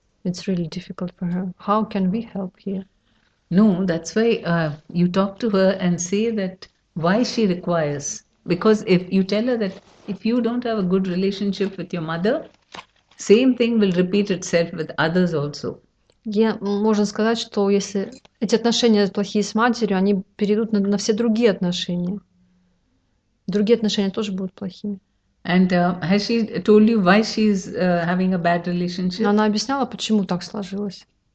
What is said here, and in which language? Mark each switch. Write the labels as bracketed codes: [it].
[en] It's really difficult for her. How can we help here? No, that's why you talk to her and say that why she requires. Because if you tell her that if you don't have a good relationship with your mother, same thing will repeat itself with others also. [ru] Можно сказать, что если эти отношения плохие с матерью, они перейдут на все другие отношения. Другие отношения тоже будут плохими. [en] And has she told you why she is having a bad relationship? [ru] Она объясняла, почему так сложилось.